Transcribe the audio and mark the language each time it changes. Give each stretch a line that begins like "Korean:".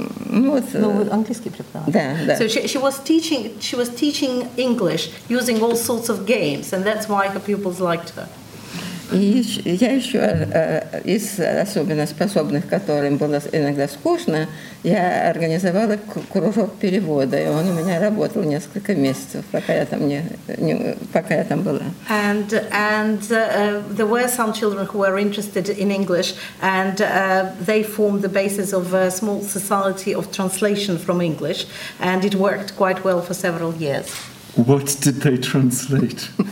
English: With
Russian: английский преподаватель.
English: So she was teaching English using all sorts of games, and that's why her pupils liked her.
Russian: Я еще из особенно способных, которым было иногда скучно, я организовала кружок перевода, и он у меня работал несколько месяцев, пока я там была.
English: And there were some children who were interested in English, and they formed the basis of a small society of translation from English, and it worked quite well for several years. What did they translate?